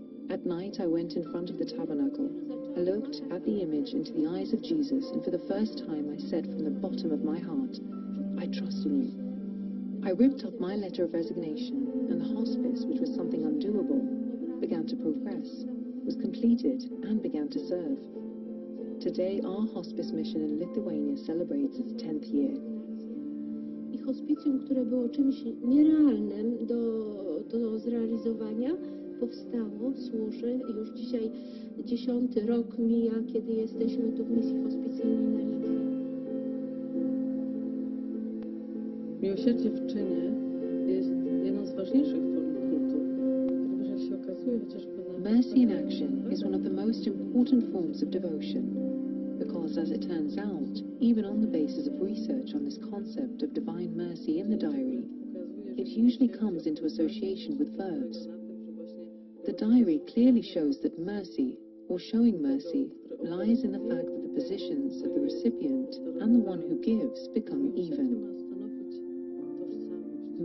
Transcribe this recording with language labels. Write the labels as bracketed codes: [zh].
[en] At night, I went in front of the tabernacle. I looked at the image into the eyes of Jesus, and for the first time, I said from the bottom of my heart, I trust in you. I ripped up my letter of resignation, and the hospice, which was something undoable, began to progress, was completed, and began to serve. Today, our hospice mission in Lithuania celebrates its 10th year. [pl] I hospicjum, które było czymś nierealnym do zrealizowania, powstało, służy. Już dzisiaj 10. rok mija, kiedy jesteśmy tu w misji hospicjalnej na Litwie. Miłosierdzie w czynie jest jedną z ważniejszych form kultu, ponieważ jak się okazuje, chociażby na... [en] Mercy in action is one of the most important forms of devotion. Because, as it turns out, even on the basis of research on this concept of divine mercy in the diary, it usually comes into association with verbs. The diary clearly shows that mercy, or showing mercy, lies in the fact that the positions of the recipient and the one who gives become even.